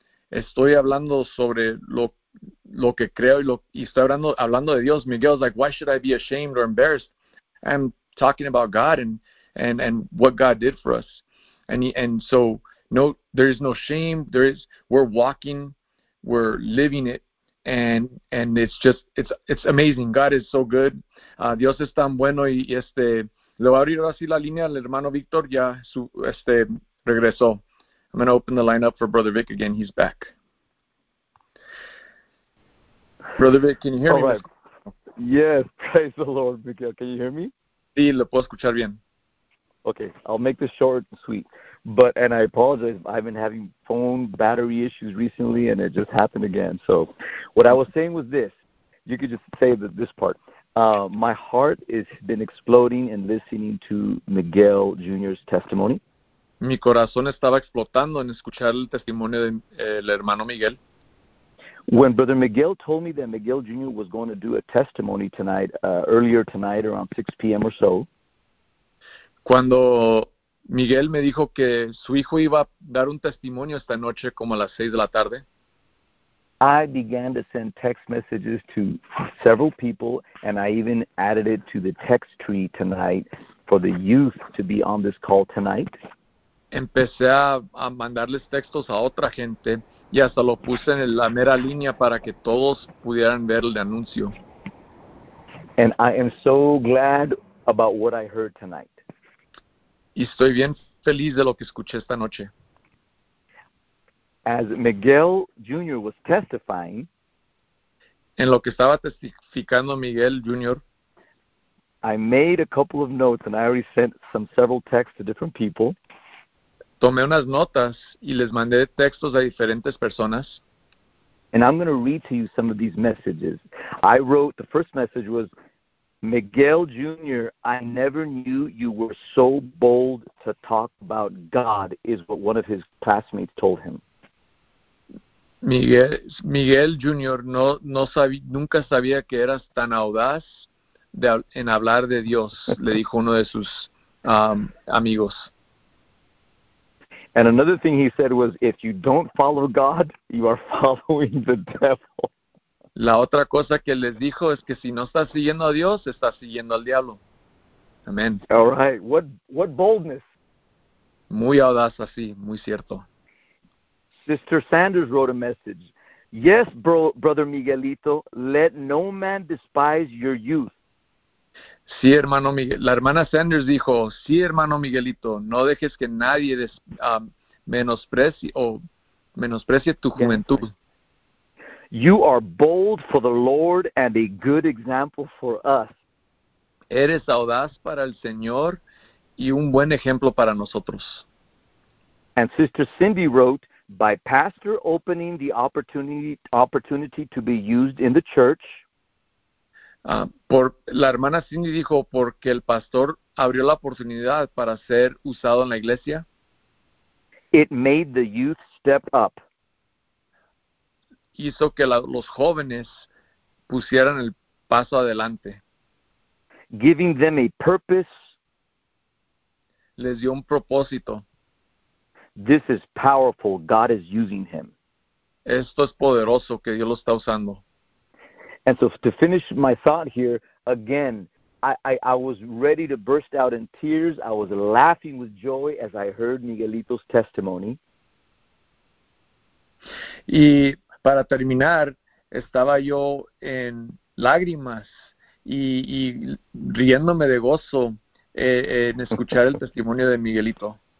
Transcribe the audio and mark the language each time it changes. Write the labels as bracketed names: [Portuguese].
[Spanish] Estoy hablando sobre lo que creo y estoy hablando de Dios. [English] Miguel is like, why should I be ashamed or embarrassed? I'm talking about God and what God did for us. And so, no, there is no shame. We're walking, we're living it. And it's amazing. God is so good. [Spanish] Dios es tan bueno. Y le voy a abrir así la línea al hermano Víctor. Ya regresó. [English] I'm going to open the line up for Brother Vic again. He's back. Brother Vic, can you hear me? Right. Yes, praise the Lord, Miguel. Can you hear me? [Spanish] Sí, le puedo escuchar bien. [English] Okay, I'll make this short and sweet. And I apologize, I've been having phone battery issues recently, and it just happened again. So what I was saying was this. You could just say this part. My heart has been exploding in listening to Miguel Jr.'s testimony. [Spanish] Mi corazón estaba explotando en escuchar el testimonio del hermano Miguel. [English] When Brother Miguel told me that Miguel Jr. was going to do a testimony tonight, earlier tonight, around 6 p.m. or so. [Spanish] Cuando Miguel me dijo que su hijo iba a dar un testimonio esta noche como a las 6 de la tarde. [English] I began to send text messages to several people, and I even added it to the text tree tonight for the youth to be on this call tonight. [Spanish] Empecé a mandarles textos a otra gente, y hasta lo puse en la mera línea para que todos pudieran ver el anuncio. [English] And I am so glad about what I heard tonight. [Spanish] Y estoy bien feliz de lo que escuché esta noche. [English] As Miguel Jr. was testifying, [Spanish] en lo que estaba testificando Miguel Jr., [English] I made a couple of notes and I already sent several texts to different people. [Spanish] Tomé unas notas y les mandé textos a diferentes personas. [English] And I'm going to read to you some of these messages. The first message was, Miguel Jr., I never knew you were so bold to talk about God, is what one of his classmates told him. [Spanish] Miguel Jr., nunca sabía que eras tan audaz en hablar de Dios, le dijo uno de sus amigos. [English] And another thing he said was, if you don't follow God, you are following the devil. [Spanish] La otra cosa que les dijo es que si no estás siguiendo a Dios, estás siguiendo al diablo. Amén. [English] All right. What boldness. [Spanish] Muy audaz, así, muy cierto. [English] Sister Sanders wrote a message. Yes, bro, brother Miguelito, let no man despise your youth. [Spanish] Sí, hermano Miguel. La hermana Sanders dijo, sí, hermano Miguelito, no dejes que nadie menosprecie tu juventud. [English] You are bold for the Lord and a good example for us. [Spanish] Eres audaz para el Señor y un buen ejemplo para nosotros. [English] And Sister Cindy wrote, by pastor opening the opportunity to be used in the church. [Spanish] La hermana Cindy dijo, porque el pastor abrió la oportunidad para ser usado en la iglesia. [English] It made the youth step up. [Spanish] Hizo que los jóvenes pusieran el paso adelante. [English] Giving them a purpose. [Spanish] Les dio un propósito. [English] This is powerful. God is using him. [Spanish] Esto es poderoso que Dios lo está usando. [English] And so to finish my thought here, again, I was ready to burst out in tears. I was laughing with joy as I heard Miguelito's testimony. [Spanish] Y para terminar, estaba yo en lágrimas y riéndome de gozo en escuchar el testimonio de Miguelito.